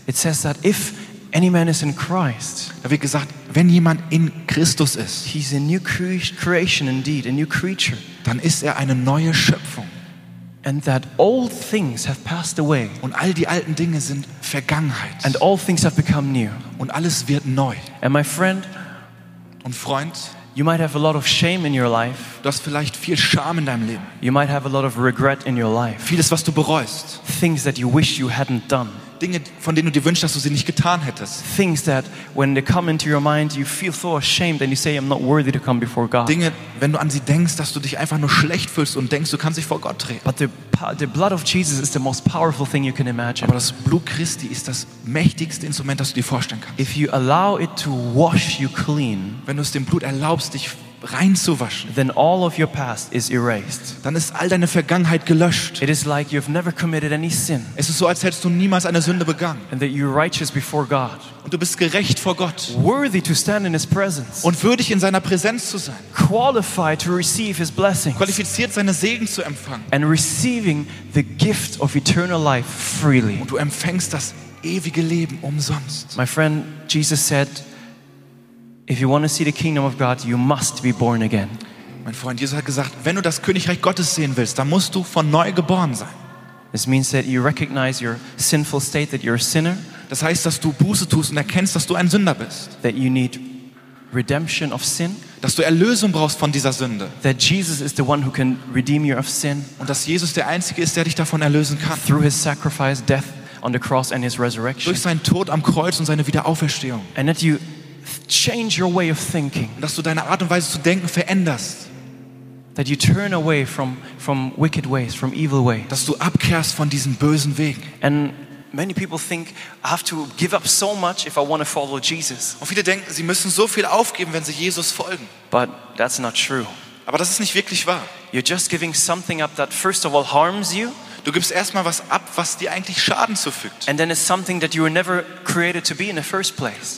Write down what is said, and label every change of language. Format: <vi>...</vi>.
<en>It says that if any man is in Christ,</en> <de>da wird gesagt, wenn jemand in Christus ist,</de> <en>he's a new creation indeed, a new creature.</en> <de>Dann ist er eine neue Schöpfung.</de> <en>And that old things have passed away.</en> <de>Und all die alten Dinge sind Vergangenheit.</de> <en>And all things have become new.</en> <de>Und alles wird neu.</de> <en>And my friend,</en> <de>und Freund,</de> <en>you might have a lot of shame in your life.</en> <de>Du hast vielleicht viel Scham in deinem Leben.</de> <en>You might have a lot of regret in your life.</en> <de>Vieles, was du bereust.</de> <en>Things that you wish you hadn't done.</en> <de>Dinge, von denen du dir wünschst, dass du sie nicht getan hättest.</de> <en>Things that when they come into your mind, you feel so ashamed and you say I'm not worthy to come before God.</en> <de>Dinge, wenn du an sie denkst, dass du dich einfach nur schlecht fühlst und denkst, du kannst dich vor Gott treten.</de> <en>But the blood of Jesus is the most powerful thing you can imagine.</en> <de>Aber das Blut Christi ist das mächtigste Instrument, das du dir vorstellen kannst.</de> <en>If you allow it to wash you clean,</en> <de>wenn du es dem Blut erlaubst, dich reinzuwaschen,</de> <en>then all of your past is erased.</en> <de>Dann ist all deine Vergangenheit gelöscht.</de> <en>It is like you've never committed any sin.</en> <de>Es ist so, als hättest du niemals eine Sünde begangen.</de> <en>And that you're righteous before God.</en> <de>Und du bist gerecht vor Gott.</de> <en>Worthy to stand in his presence.</en> <de>Und würdig, in seiner Präsenz zu sein.</de> <en>Qualified to receive his blessings.</en> <de>Qualifiziert, seine Segen zu empfangen.</de> <en>And receiving the gift of eternal life freely.</en> <de>Und du empfängst das ewige Leben umsonst.</de> <en>My friend, Jesus said, if you want to see the kingdom of God, you must be born again.</en> <de>Mein Freund, Jesus hat gesagt, wenn du das Königreich Gottes sehen willst, dann musst du von neu geboren sein.</de> <en>This means that you recognize your sinful state, that you're a sinner.</en> <de>Das heißt, dass du Buße tust und erkennst, dass du ein Sünder bist.</de> <en>That you need redemption of sin.</en> <de>Dass du Erlösung brauchst von dieser Sünde.</de> <en>That Jesus is the one who can redeem you of sin.</en> <de>Und dass Jesus der Einzige ist, der dich davon erlösen kann.</de> <en>Through his sacrifice, death on the cross and his resurrection.</en> <de>Durch seinen Tod am Kreuz und seine Wiederauferstehung.</de> <en>And that you change your way of thinking.</en> <de>Dass du deine Art und Weise zu denken veränderst.</de> <en>That you turn away from wicked ways, from evil ways.</en> <de>Dass du abkehrst von diesen bösen Wegen.</de> <en>And many people think I have to give up so much if I want to follow Jesus.</en> <de>Und viele denken, sie müssen so viel aufgeben, wenn sie Jesus folgen.</de> <en>But that's not true.</en> <de>Aber das ist nicht wirklich wahr.</de> <en>You're just giving something up that first of all harms you.</en> <de>Du gibst erstmal was ab, was dir eigentlich Schaden zufügt.</de> <en>And then it's something that you were never created to be in the first place.</en>